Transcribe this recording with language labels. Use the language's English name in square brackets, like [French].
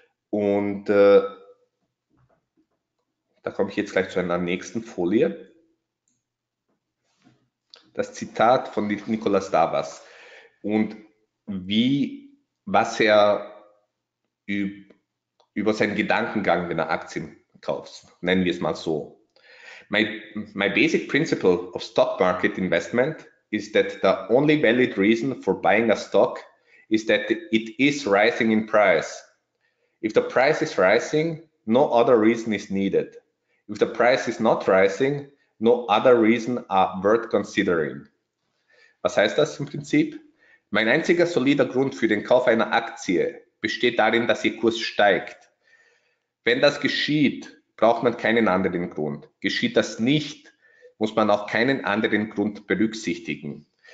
[German] Und da komme ich jetzt gleich zu einer nächsten Folie. Das Zitat von Nicolas Dawas und was er über seinen Gedankengang, wenn er Aktien kauft, nennen wir es mal so. [English] My basic principle of stock market investment is that the only valid reason for buying a stock is that it is rising in price. If the price is rising, no other reason is needed. If the price is not rising, no other reason are worth considering. [German] Was heißt das im Prinzip? Mein einziger solider Grund für den Kauf einer Aktie besteht darin, dass ihr Kurs steigt. Wenn das geschieht, braucht man keinen anderen Grund. Geschieht das nicht, muss man auch keinen anderen Grund berücksichtigen.